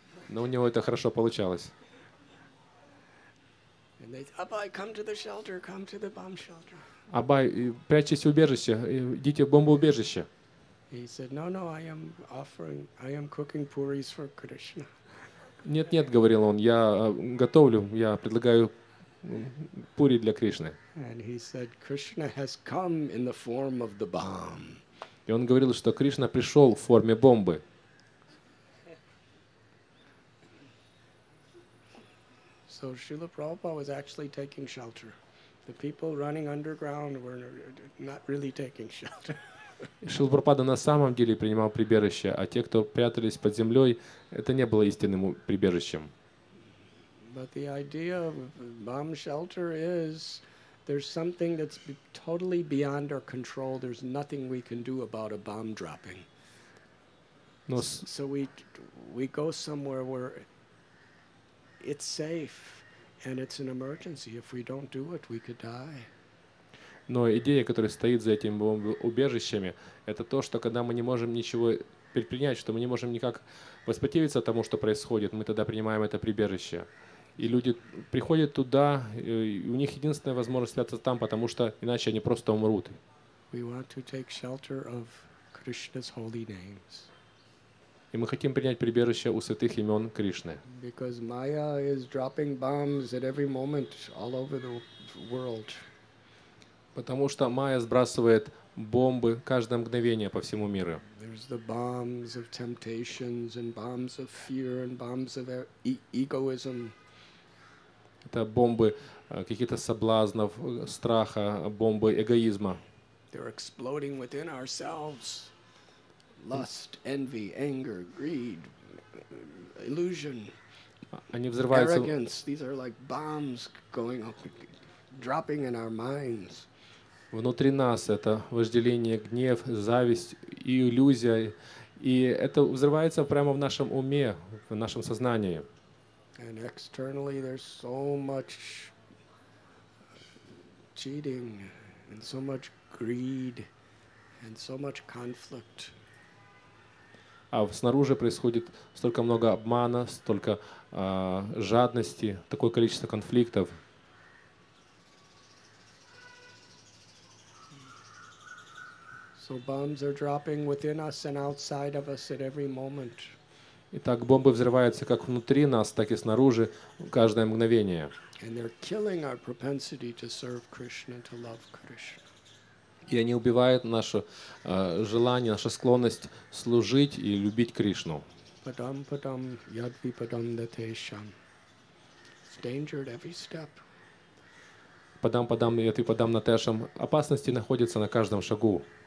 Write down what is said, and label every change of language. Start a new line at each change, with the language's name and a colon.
Russian: Но у него это хорошо получалось.
English: And they said, Abai, come to the shelter, come to the bomb shelter.
Russian: Абай, прячьтесь в убежище, идите в бомбоубежище.
English: He said, no, no, I am offering, I am cooking puris for Krishna.
Russian: Нет, нет, говорил он, я готовлю, я предлагаю пури для Кришны.
English: And he said, Krishna has come in the form of the bomb.
Russian: И он говорил, что Кришна пришел в форме бомбы.
English: So Srila Prabhupada was actually taking shelter. The people running underground were not really taking shelter.
Russian: Шрила Прабхупада на самом деле принимал прибежище, а те, кто прятались под землей, это не было истинным прибежищем.
English: But the idea of bomb shelter is there's something that's totally beyond our control. There's nothing we can do about a bomb dropping. So we go somewhere where it's safe and it's an emergency. If we don't do it, we could die.
Russian: Но идея, которая стоит за этими бомбоубежищами, это то, что когда мы не можем ничего предпринять, что мы не можем никак воспротивиться тому, что происходит, мы тогда принимаем это прибежище. И люди приходят туда, и у них единственная возможность спрятаться там, потому что иначе они просто умрут.
English: We want to take shelter of Krishna's holy names.
Russian: И мы хотим принять прибежище у святых имен Кришны.
English: Because Maya is dropping bombs at every moment all over the world.
Russian: Потому что Майя сбрасывает бомбы каждое мгновение по всему миру.
English: There's the bombs of temptations and bombs of fear and bombs of egoism.
Russian: Это бомбы каких-то соблазнов, страха, бомбы эгоизма.
English: They're exploding within ourselves. Lust, envy, anger, greed, illusion.
Russian: Они взрываются.
English: Arrogance. These are like bombs going up, dropping in our minds.
Russian: Внутри нас это вожделение, гнев, зависть и иллюзия. И это взрывается прямо в нашем уме, в нашем сознании.
English: And externally there's so much cheating and so much greed and so much conflict.
Russian: А снаружи происходит столько много обмана, столько жадности, такое количество конфликтов.
English: So So bombs are dropping within us and outside of us at every moment.
Russian: Итак, бомбы взрываются как внутри нас, так и снаружи, каждое мгновение.
English: And they're killing our propensity to serve Krishna, to love Krishna.
Russian: И они убивают наше желание, нашу склонность служить и любить Кришну.
Sanskrit: Padam padam yadvi padam datesham.
English: It's danger at every step.
Sanskrit: Padam padam yadvi padam natesham.
Russian: Опасности находятся на каждом шагу.